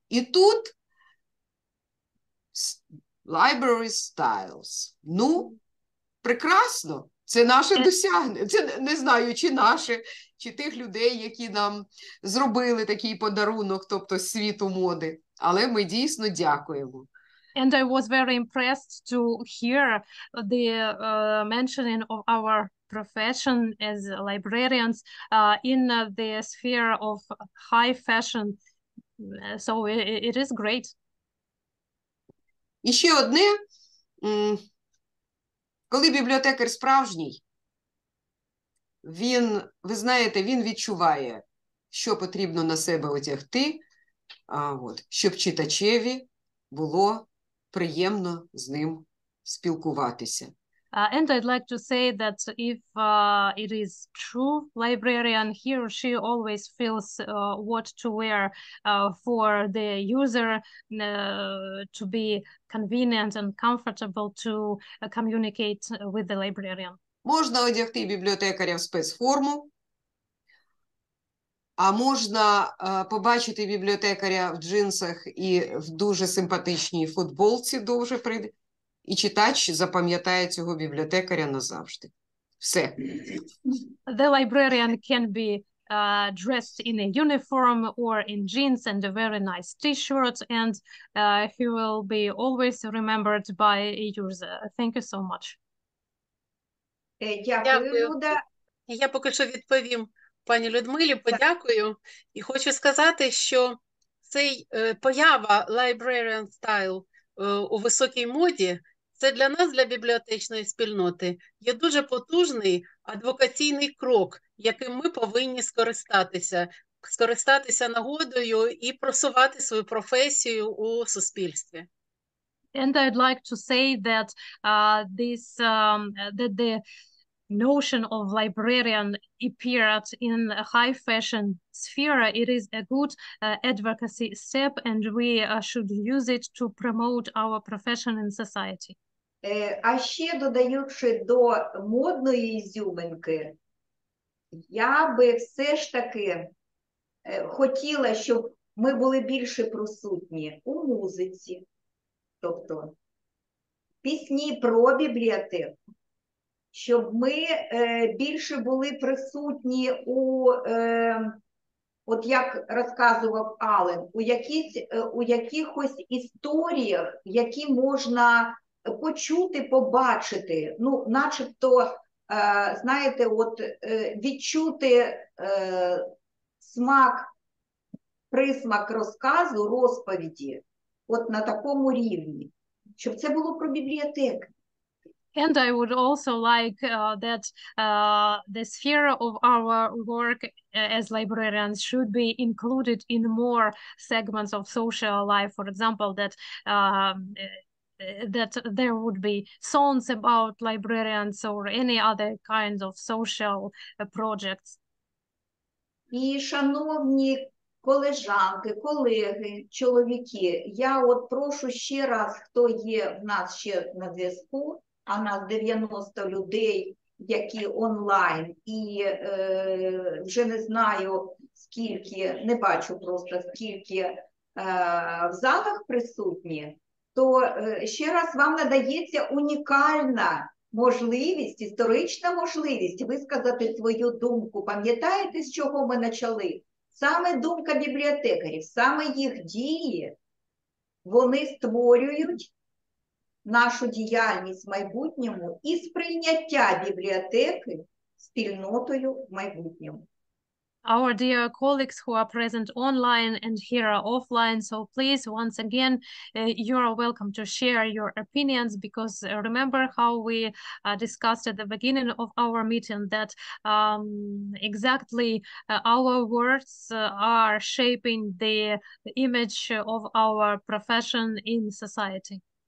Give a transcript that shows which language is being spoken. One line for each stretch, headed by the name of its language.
Ukrainian: І тут
English: library styles.
Ukrainian: Ну, прекрасно. Це наше досягнення. Це не знаю, чи наше, чи тих людей, які нам зробили такий подарунок, тобто світу моди. Але ми дійсно дякуємо.
English: And I was very impressed to hear the mentioning of our profession as librarians in the sphere of high fashion. So it is great.
Ukrainian: І ще одне, Коли бібліотекар справжній, він, ви знаєте, він відчуває, що потрібно на себе одягти, щоб читачеві було приємно з ним спілкуватися.
English: And I'd like to say that if it is true, librarian, he or she always feels what to wear for the user to be convenient and comfortable to communicate with the librarian.
Ukrainian: Можна одягти бібліотекаря в спецформу, а можна побачити бібліотекаря в джинсах і в дуже симпатичній футболці дуже прийде. І читач запам'ятає цього бібліотекаря назавжди. Все.
English: The librarian can be dressed in a uniform or in jeans and a very nice t-shirt, and he will be always remembered by a user. Thank you so much.
Ukrainian: Дякую, Люда. Я поки що відповім пані Людмилі, подякую. І хочу сказати, що цей поява
English: librarian style
Ukrainian: у високій моді, це для нас, для бібліотечної спільноти, є дуже потужний адвокаційний крок, яким ми повинні скористатися нагодою і просувати свою професію у суспільстві.
English: And I'd like to say that that the notion of librarian appeared in a high fashion sphere, it is a good advocacy step, and we should use it to promote our profession in society.
Ukrainian: А ще додаючи до модної ізюминки, я би все ж таки хотіла, щоб ми були більше присутні у музиці, тобто пісні про бібліотеку, щоб ми більше були присутні у, от як розказував Ален, у якихось історіях, які можна почути, побачити, ну, начебто, знаєте, от відчути смак, присмак розказу, розповіді, от на такому рівні, щоб це було про бібліотеки.
English: And I would also like that the sphere of our work as librarians should be included in more segments of social life, for example, that that there would be songs about librarians or any other kinds of social projects.
Ukrainian: І шановні колежанки, колеги, чоловіки, я от прошу ще раз, хто є в нас ще на зв'язку, а нас 90 людей, які онлайн, і вже не знаю, скільки, не бачу просто, скільки в залах присутні, то ще раз вам надається унікальна можливість, історична можливість висказати свою думку. Пам'ятаєте, з чого ми почали? Саме думка бібліотекарів, саме їх дії, вони створюють нашу діяльність в майбутньому і сприйняття бібліотеки спільнотою в майбутньому.
English: Our dear colleagues who are present online and here are offline, so please, once again, you are welcome to share your opinions, because remember how we discussed at the beginning of our meeting that exactly our words are shaping the image of our profession in society.